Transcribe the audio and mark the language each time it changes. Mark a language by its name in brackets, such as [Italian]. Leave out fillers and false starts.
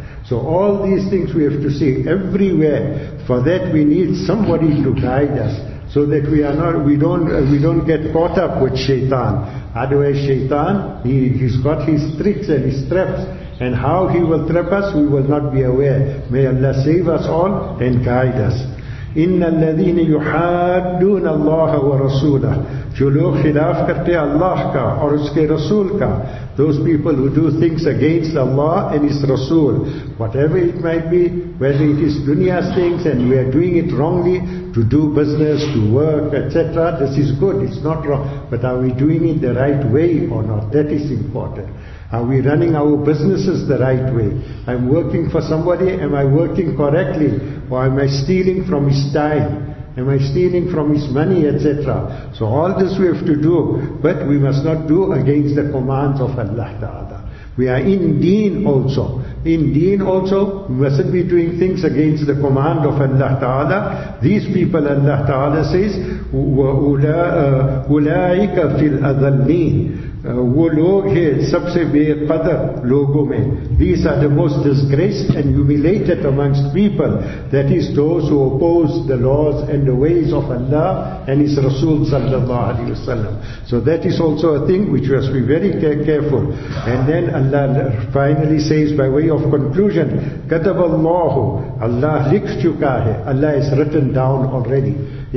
[English] So all these things we have to see everywhere. For that we need somebody to guide us, so that we don't get caught up with shaitan. Otherwise shaitan, he's got his tricks and his traps. And how he will trap us, we will not be aware. May Allah save us all and guide us. [Arabic] إِنَّ الَّذِينَ يُحَادُّونَ اللَّهَ وَرَسُولَهُ. [Urdu] جو لوگ خلاف کرتے اللہ کا اور اس کے رسول کا. [English] Those people who do things against Allah and His Rasul, whatever it might be, whether it is dunya's things and we are doing it wrongly, to do business, to work, etc., this is good, it's not wrong. But are we doing it the right way or not? That is important. Are we running our businesses the right way? I'm working for somebody, am I working correctly? Or am I stealing from his time? Am I stealing from his money, etc.? So all this we have to do, but we must not do against the commands of Allah Ta'ala. We are in deen also. In deen also, we mustn't be doing things against the command of Allah Ta'ala. These people, Allah Ta'ala says, [Arabic] وَأُولَٰئِكَ فِي الْأَذَلِّينَ. [Urdu] وہ لوگ ہیں سب سے بے قدر لوگوں میں. [English] These are the most disgraced and humiliated amongst people. That is those who oppose the laws and the ways of Allah and His Rasul sallallahu alayhi wa sallam. So that is also a thing which must be very careful. And then Allah finally says by way of conclusion, [Arabic] كَتَبَ اللَّهُ. [English] Allah [Urdu] لِكْ چُكَا ہے. [English] Allah has written down already.